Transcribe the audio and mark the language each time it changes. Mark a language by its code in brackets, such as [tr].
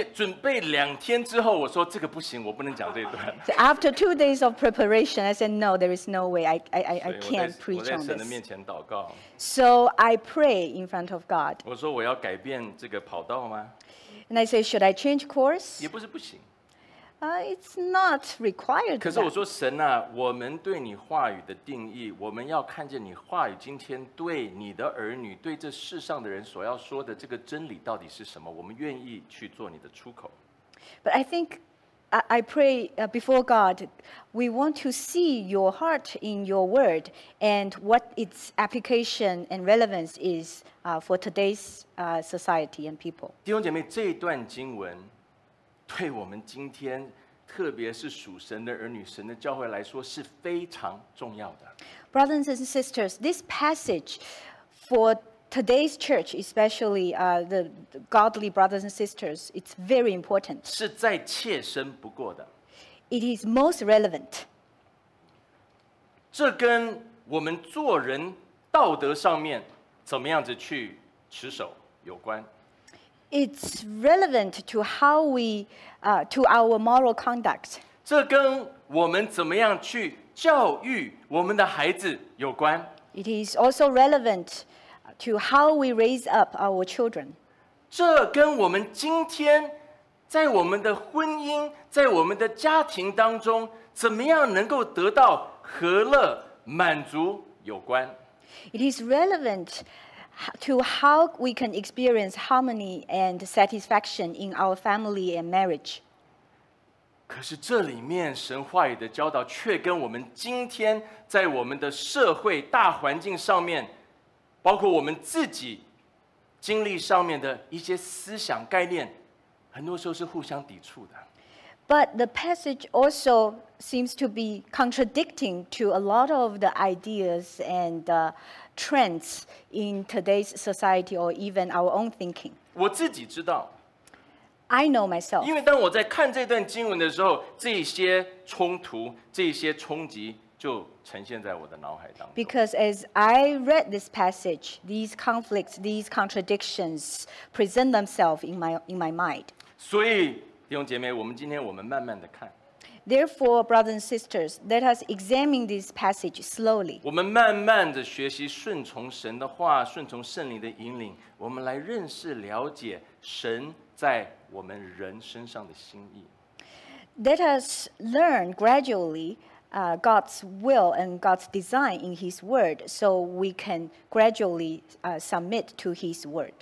[zh] 准备两天之后，我说这个不行，我不能讲这一段。 [en] So after 2 days of preparation, I said no, there is no way I can't preach on this. [zh] 我在神的面前祷告。 [en] So I pray in front of God. [zh] 我说我要改变这个跑道吗？ [en] And I say, should I change course? [zh] 也不是不行。 [en] It's not required. [zh] 可是我说神啊，我们对你话语的定义，我们要看见你话语今天对你的儿女，对这世上的人所要说的这个真理到底是什么，我们愿意去做你的出口。 [en] But I think, I pray before God, we want to see your heart in your word and what its application and relevance is for today's society and people. [zh] 弟兄姐妹，这一段经文对我们今天，特别是属神的儿女、神的教会来说，是非常重要的。 [en] Brothers and sisters, this passage for today's church, especially the godly brothers and sisters, it's very important. [zh] 是再切身不过的。 [en] It is most relevant. [zh] 这跟我们做人道德上面怎么样子去持守有关。 [en] It's relevant to how we, to our moral conduct. [zh] 这跟我们怎么样去教育我们的孩子有关。 [en] It is also relevant to how we raise up our children. [zh] 这跟我们今天在我们的婚姻、在我们的家庭当中，怎么样能够得到和乐、满足有关。 [en] It is relevant. To how we can experience harmony and satisfaction in our family and marriage. [zh] 可是这里面神话语的教导却跟我们今天在我们的社会大环境上面，包括我们自己经历上面的一些思想概念，很多时候是互相抵触的。 [en] But the passage also seems to be contradicting to a lot of the ideas and trends in today's society or even our own thinking. [zh] 我自己知道。 [en] I know myself. [zh] 因为当我在看这段经文的时候，这些冲突，这些冲击就呈现在我的脑海当中。 [en] Because as I read this passage, these conflicts, these contradictions present themselves in my mind. [zh] 所以弟兄姐妹，我们今天我们慢慢的看。 [en] Therefore, brothers and sisters, let us examine this passage slowly. [zh] 我们慢慢的学习顺从神的话，顺从圣灵的引领，我们来认识了解神在我们人身上的心意。 [en] Let us learn gradually, God's will and God's design in His Word, so we can gradually, submit to His Word.